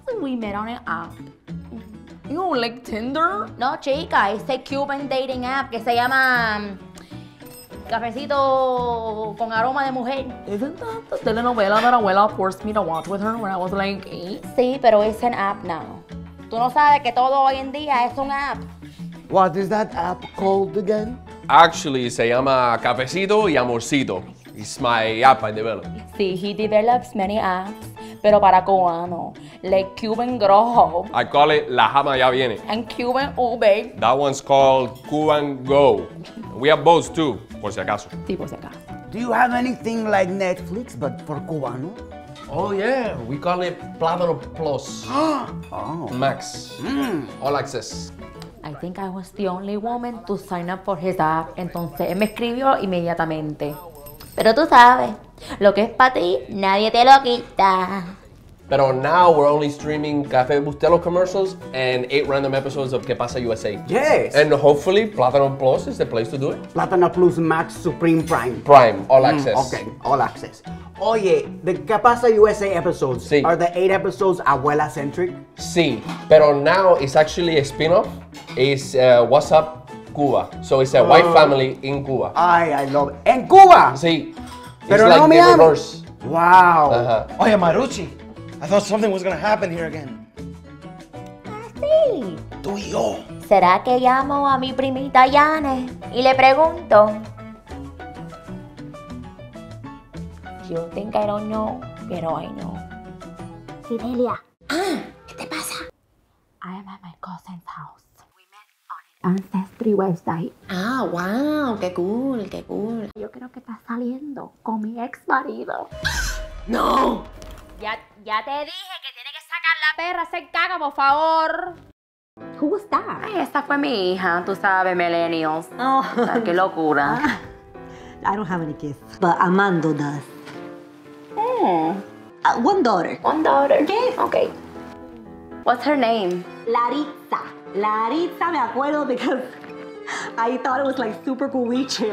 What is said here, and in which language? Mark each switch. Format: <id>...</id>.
<en>We met on an app. You don't like Tinder? No, chica, it's a Cuban dating app</en> <es>que se llama Cafecito con aroma de mujer.</es> <en>Isn't that the telenovela that Abuela forced me to watch with her when I was like 8?</en> <es>Sí, pero</es> <en>it's an app now.</en> <es>Tú no sabes que todo hoy en día es un app.</es> <en>What is that app called again? Actually,</en> <es>se llama Cafecito y Amorcito.</es> <en>It's my app I developed. Sí, he develops many apps,</en> <es>pero para cubano.</es> <en>Like Cuban Grojo. I call it La Jama Ya Viene. And Cuban Uber. That one's called Cuban Go. We have both too,</en> <es>por si acaso. Sí, por si acaso.</es> <en>Do you have anything like Netflix, but for cubano? Oh yeah, we call it Plátano Plus. Oh. Max. All access. I think I was the only woman to sign up for his app.</en> <es>Entonces, él me escribió inmediatamente. Pero tú sabes, lo que es para ti, nadie te lo quita.</es> <en>Pero now we're only streaming Café Bustelo commercials and 8 random episodes of ¿Qué Pasa USA? Yes! And hopefully, Plátano Plus is the place to do it. Plátano Plus Max Supreme Prime. Prime, all access. Okay, all access. Oye, the ¿Qué Pasa USA episodes,</en> <es>sí,</es> <en>are the 8 episodes Abuela-centric? Sí, pero now it's actually a spin-off. It's What's Up Cuba. So it's a white family in Cuba. Ay, I love it.</en> <es>¡En Cuba! Sí. Pero</es> <en>it's</en> <es>no</es> <en>like</en> <es>me</es> <en>the reverse. Wow. Uh-huh. Oye, Maruchi. I thought something was gonna happen here again.</en> <es>Ah, sí. Tú y yo. ¿Será que llamo a mi primita Yane y le pregunto?</es> <en>You think I don't know, pero I know. Fidelia.</en> <es>Ah, ¿qué te pasa?</es> <en>I am at my cousin's house. We met on Ancestry website.</en> <es>Ah, wow, qué cool, qué cool. Yo creo que está saliendo con mi ex marido. No. Ya te dije que tiene que sacar la perra, hacer caca, por favor.</es> <en>Who was that?</en> <es>Ay, esa fue mi hija, tú sabes, millennials.</es> <en>Oh.</en> <es>Qué locura.</es> <en>I don't have any kids, but Armando does. Yeah. One daughter. One daughter. Okay. Okay. What's her name? Laritza. Laritza,</en> <es>me acuerdo,</es> <en>because I thought it was like super cuiche.</en>